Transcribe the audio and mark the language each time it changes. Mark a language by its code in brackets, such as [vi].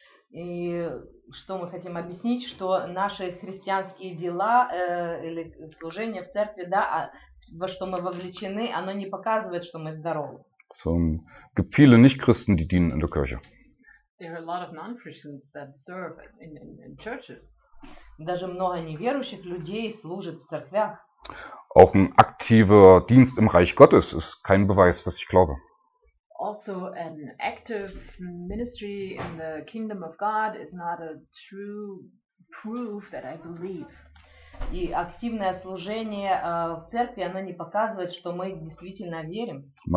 [ru] И что мы хотим объяснить, что наши христианские дела или служение в церкви, да, во что мы вовлечены, оно не показывает, что мы здоровы. [de] So, gibt viele Nicht-Christen, die dienen in der Kirche. [en] There are a lot of non-Christians that serve in churches. [ru] Даже много неверующих людей служат в церквях. [de] Auch ein aktiver Dienst im Reich Gottes ist kein Beweis, dass ich glaube. [en] Also an active ministry in the kingdom of God is not a true proof that I believe. [ru] И активное служение в церкви, оно не показывает, что мы действительно верим.